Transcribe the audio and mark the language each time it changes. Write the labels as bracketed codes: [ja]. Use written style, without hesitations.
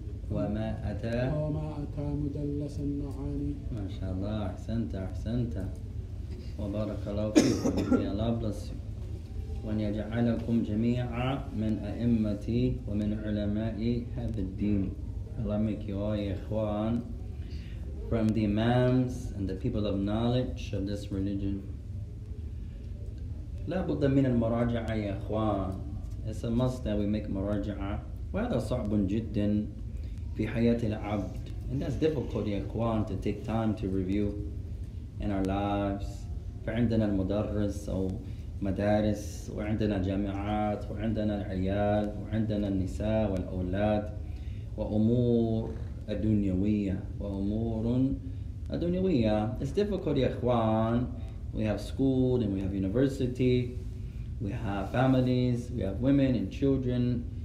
[ar] وما أتى مدلس النعان. ما شاء الله. أحسنت وبارك الله فيكم. [en] May Allah bless you [ar] وأن يجعلكم جميعا من أئمة ومن علماء هذا الدين. [en] Allah make you all, إخوان, from the imams and the people of knowledge of this religion. [ar] لا بد من المراجعة يا إخوان. [en] It's a must that we make مراجعة. [ar] وهذا صعب جدا في حياة العبد. [en] And that's difficult, ya Ikhwan, to take time to review in our lives. [ar] فعندنا المدرس أو مدارس وعندنا جامعات وعندنا العيال وعندنا النساء والأولاد وأمور الدنيوية وأمور الدنيوية. [en] It's difficult, ya Ikhwan. We have school and we have university. We have families, we have women and children.